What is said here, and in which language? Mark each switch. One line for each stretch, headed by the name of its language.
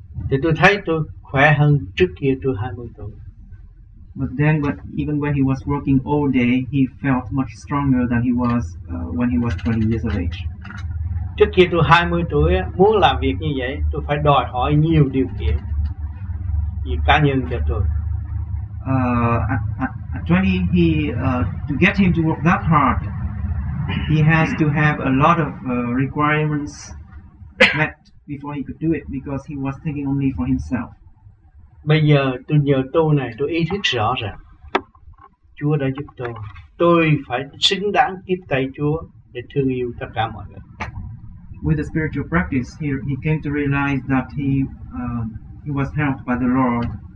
Vietnamese: Thì tôi thấy tôi khỏe hơn trước kia tôi 20 tuổi.
English: But even when he was working all day, he felt much stronger than he was when he was 20 years of age.
Vietnamese: Trước kia tôi 20 tuổi muốn làm việc như vậy, tôi phải đòi hỏi nhiều điều kiện về cá nhân cho tôi.
English: At 20, he to get him to work that hard, he has to have a lot of requirements met before he could do it because he was thinking only for himself.
Vietnamese: Bây giờ tôi nhờ tu này, tôi ý thức rõ rằng Chúa đã giúp tôi. Tôi phải xứng đáng tiếp tay Chúa để thương yêu tất cả mọi người.
English: With the spiritual practice, he came to realize that he was helped by the Lord.